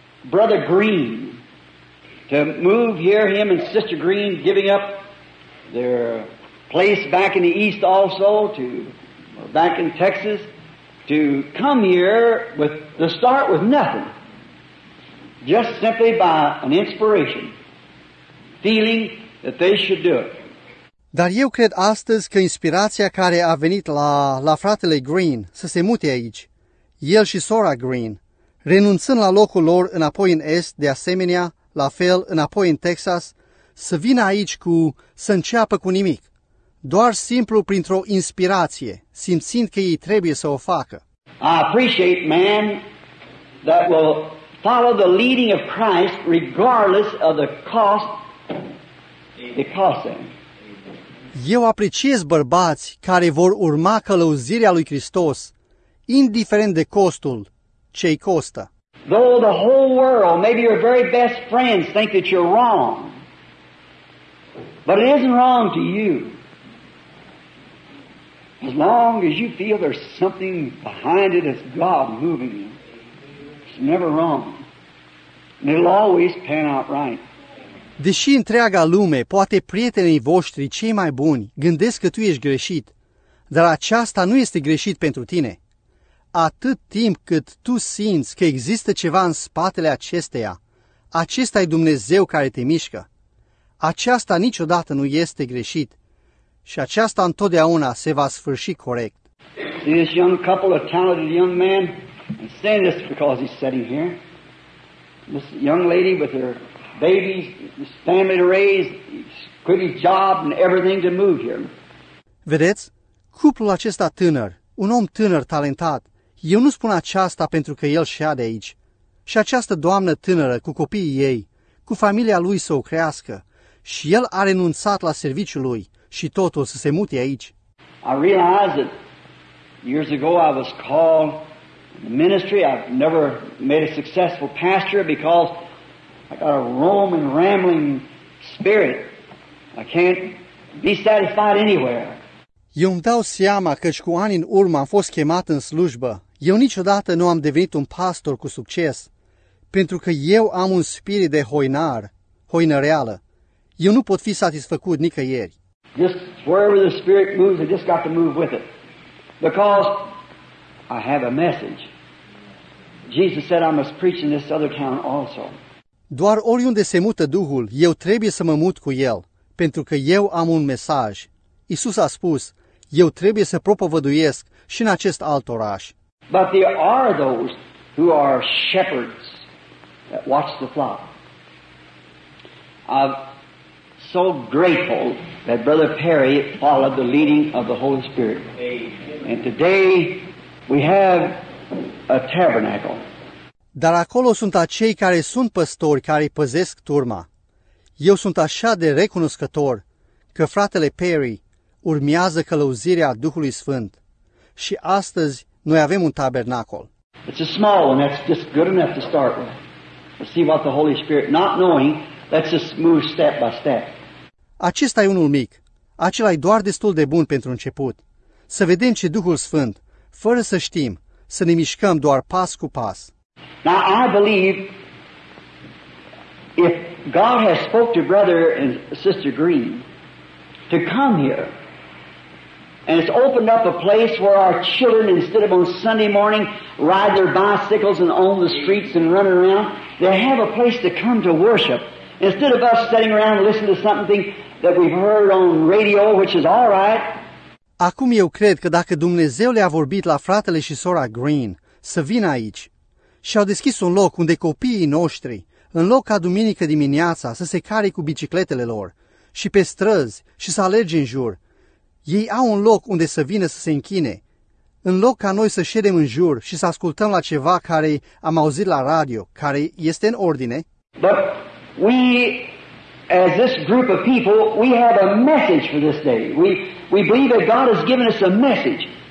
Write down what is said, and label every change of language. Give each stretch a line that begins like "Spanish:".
English: Brother Green to move here, him and Sister Green giving up their place back in the East also, to back in Texas, to come here with to start with nothing, just simply by an inspiration, feeling that they should do it.
Romanian: Dar eu cred astăzi că inspirația care a venit la fratele Green să se mute aici, el și sora Green, renunțând la locul lor înapoi în Est, de asemenea, la fel, înapoi în Texas, să vină aici cu să înceapă cu nimic, doar simplu printr-o inspirație, simțind că ei trebuie să o facă.
English: I appreciate man that will follow the leading of Christ regardless of the cost it costs them.
Romanian: Eu apreciez bărbați care vor urma călăuzirea lui Hristos, indiferent de costul ce îi costă.
English: Though the whole world, maybe your very best friends, think that you're wrong, but it isn't wrong to you. As long as you feel there's something behind it, it's God moving you. It's never wrong. And it'll always pan out right.
Romanian: Deși întreaga lume, poate prietenii voștri cei mai buni, gândesc că tu ești greșit, dar aceasta nu este greșit pentru tine. Atât timp cât tu simți că există ceva în spatele acesteia, acesta e Dumnezeu care te mișcă. Aceasta niciodată nu este greșit și aceasta întotdeauna se va sfârși corect.
English: This young couple of talented young men, and saying this because he's sitting here, this young lady with her babies, his family to raise, quit his job and everything to move here.
Romanian: Vedeți? Cuplul acesta tânăr, un om tânăr, talentat, eu nu spun aceasta pentru că el și-a de aici. Și această doamnă tânără cu copiii ei, cu familia lui să o crească, și el a renunțat la serviciul lui și totul să se mute aici.
English: I realize that years ago I was called in the ministry. I've never made a successful pastor because I got a roaming, rambling spirit. I can't be satisfied anywhere.
Romanian: Eu îmi dau seama că și cu ani în urmă am fost chemat în slujbă. Eu niciodată nu am devenit un pastor cu succes, pentru că eu am un spirit de hoinar, hoinăreală. Eu nu pot fi satisfăcut nicăieri.
English: Just wherever the spirit moves, I just got to move with it. Because I have a message. Jesus said I must preach in this other town also.
Romanian: Doar oriunde se mută Duhul, eu trebuie să mă mut cu El, pentru că eu am un mesaj. Iisus a spus, eu trebuie să propovăduiesc și în acest alt oraș.
English: But there are those who are shepherds that watch the flock. I'm so grateful that Brother Perry followed the leading of the Holy Spirit. And today we have a tabernacle.
Romanian: Dar acolo sunt acei care sunt păstori care păzesc turma. Eu sunt așa de recunoscător că fratele Perry urmează călăuzirea Duhului Sfânt. Și astăzi noi avem un tabernacol.
English: It's a small one, that's just good enough to start with. Let's see what the Holy Spirit, not knowing, lets us move step by step.
Romanian: Acesta e unul mic. Acela e doar destul de bun pentru început. Să vedem ce Duhul Sfânt, fără să știm, să ne mișcăm doar pas cu pas.
English: Now I believe if God has spoke to brother and sister Green to come here and it's opened up a place where our children, instead of on Sunday morning ride their bicycles and on the streets and running around, they have a place to come to worship instead of us sitting around listening to something that we've heard on radio, which is all right.
Romanian: Acum eu cred că dacă Dumnezeu le-a vorbit la fratele și sora Green să vină aici și au deschis un loc unde copiii noștri, în loc ca duminică dimineața, să se care cu bicicletele lor și pe străzi și să alerge în jur, ei au un loc unde să vină să se închine, în loc ca noi să ședem în jur și să ascultăm la ceva care am auzit la radio, care este în ordine.
English: But we, as this group of people, we have a message for this day. We believe that God has given us a message.